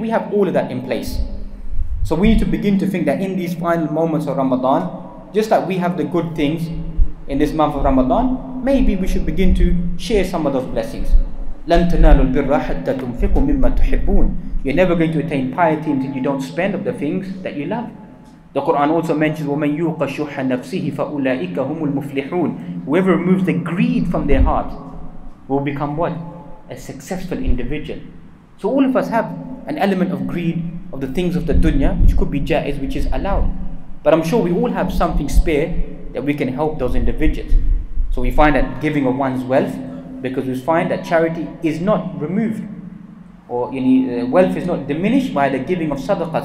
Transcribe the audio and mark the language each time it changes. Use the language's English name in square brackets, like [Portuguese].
[English] We have all of that in place. So we need to begin to think that in these final moments of Ramadan, just like we have the good things in this month of Ramadan, maybe we should begin to share some of those blessings. [Arabic] لَن تَنَالُوا الْبِرَّ حَتَّى تُنْفِقُوا مِمَّا تُحِبُّونَ. [English] You're never going to attain piety until you don't spend of the things that you love. The Quran also mentions, [Arabic] وَمَنْ يُوقَ شُحَّ نَفْسِهِ فَأُولَٰئِكَ هُمُ الْمُفْلِحُونَ. [English] Whoever removes the greed from their heart will become what? A successful individual. So all of us have an element of greed of the things of the dunya, which could be ja'iz, which is allowed. But I'm sure we all have something spare that we can help those individuals. So we find that giving of one's wealth, because we find that charity is not removed, or you know, wealth is not diminished by the giving of sadaqah.